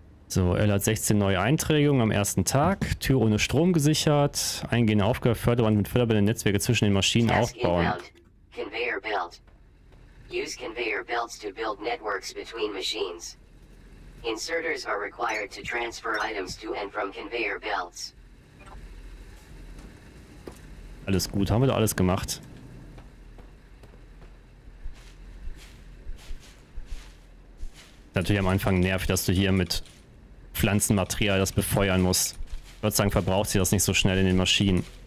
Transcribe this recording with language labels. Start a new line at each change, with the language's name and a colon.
German: So, er hat 16 neue Einträge am ersten Tag. Tür ohne Strom gesichert. Eingehende Aufgabe: Förderband mit förderbaren Netzwerke zwischen den Maschinen aufbauen.
English: Conveyor belt. Use conveyor belts to build networks between machines. Inserters are required to transfer items to and from conveyor belts.
German: Alles gut, haben wir da alles gemacht. Natürlich am Anfang nervt, dass du hier mit Pflanzenmaterial das befeuern musst. Gott sei Dank verbraucht sie das nicht so schnell in den Maschinen.